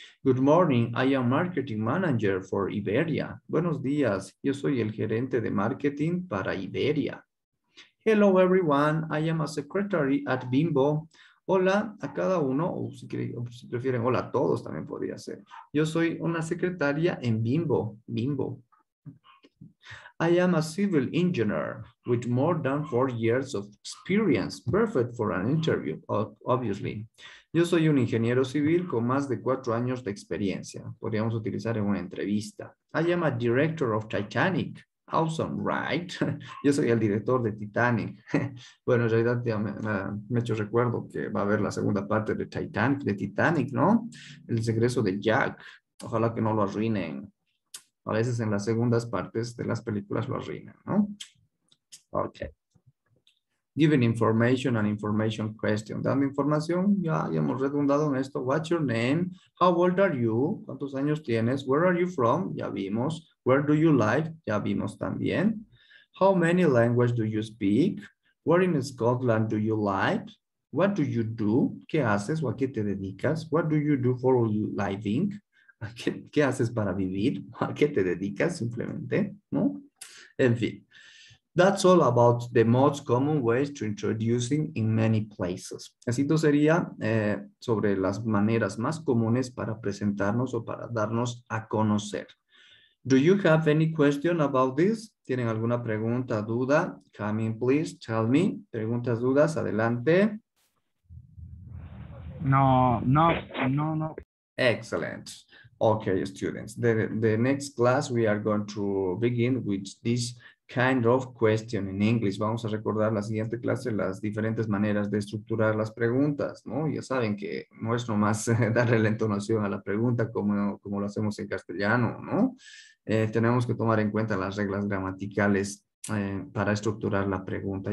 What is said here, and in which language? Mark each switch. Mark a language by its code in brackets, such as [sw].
[en] Good morning, I am marketing manager for Iberia. [es] Buenos días, yo soy el gerente de marketing para Iberia. [en] Hello everyone, I am a secretary at Bimbo. [es] Hola a cada uno, o si prefieren, hola a todos también podría ser. Yo soy una secretaria en Bimbo, Bimbo. [en] I am a civil engineer with more than 4 years of experience, perfect for an interview, obviously. [es] Yo soy un ingeniero civil con más de 4 años de experiencia. Podríamos utilizar en una entrevista. [en] I am a director of Titanic. Awesome, right? [es] Yo soy el director de Titanic. Bueno, en realidad ya me he hecho recuerdo que va a haber la segunda parte de Titanic, ¿no? El regreso de Jack. Ojalá que no lo arruinen. A veces en las segundas partes de las películas lo arruinan, ¿no? [en] Ok. Giving information and information question. [es] Dando información, ya hemos redundado en esto. [en] What's your name? How old are you? [es] ¿Cuántos años tienes? [en] Where are you from? [es] Ya vimos. [en] Where do you live? [es] Ya vimos también. [en] How many languages do you speak? Where in Scotland do you live? What do you do? [es] ¿Qué haces o a qué te dedicas? [en] What do you do for living? [es] ¿Qué haces para vivir? ¿A qué te dedicas simplemente? ¿No? En fin. [en] That's all about the most common ways to introducing in many places. [es] Así esto sería sobre las maneras más comunes para presentarnos o para darnos a conocer. [en] Do you have any question about this? [es] ¿Tienen alguna pregunta, duda? [en] Come in, please, tell me. [es] Preguntas, dudas, adelante. [en] No. Excellent. Okay, students. The next class we are going to begin with this kind of question in English. [es] Vamos a recordar la siguiente clase las diferentes maneras de estructurar las preguntas, ¿no? Ya saben que no es nomás darle la entonación a la pregunta como lo hacemos en castellano, ¿no? Tenemos que tomar en cuenta las reglas gramaticales para estructurar la pregunta.